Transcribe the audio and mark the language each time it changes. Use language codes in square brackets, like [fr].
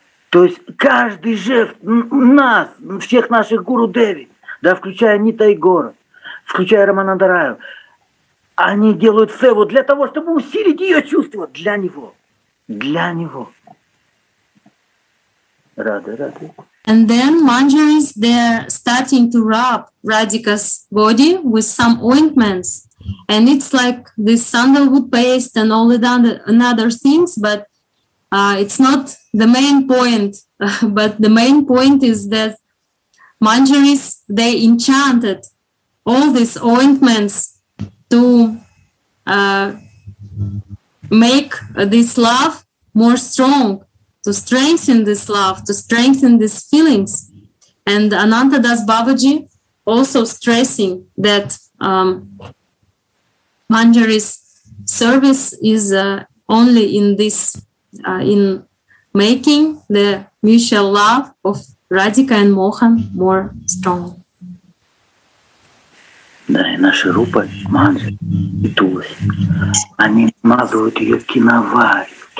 [ru] То есть каждый жест нас, всех наших гуру Деви, да, включая Нита Игора, включая Рамананда Раю, они делают севу для того, чтобы усилить ее чувства для него. Для него. Рады. [en] And then manjaris, they're starting to rub Radhika's body with some ointments. And it's like this sandalwood paste and all the other things, but it's not the main point, but the main point is that manjaris, they enchanted all these ointments to make this love more strong. to strengthen this love, to strengthen these feelings. And Ananta Das Babaji also stressing that Manjari's service is only in this, in making the mutual love of Radhika and Mohan more strong. [ru] Да, и наша рупа Манджари и Тулси, они смазывают ее киноварью,